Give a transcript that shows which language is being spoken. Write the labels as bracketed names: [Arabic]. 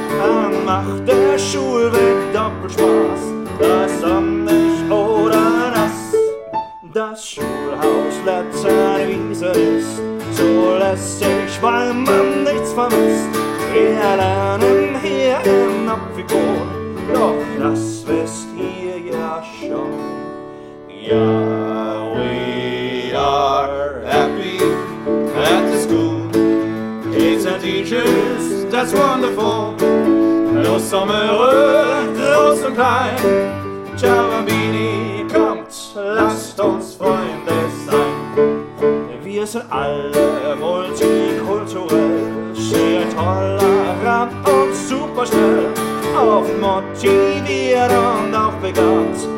[German] Dann macht der Schulweg doppelt Spaß, sei sonnig oder nass. Das Schulhaus letzter Wiese ist so lässig, weil man nichts vermisst. Wir lernen hier in Apfikon, doch das wisst ihr ja schon. [English] Ja, we are happy at the school. Kids and teachers, that's wonderful. [German] Nur Sommer, groß und klein. [Italian] Ciao, Bambini, [German] kommt, lasst uns Freunde sein. Wir sind alle multikulturell, sehr toll. Und super schnell, oft motiviert und auch begabt.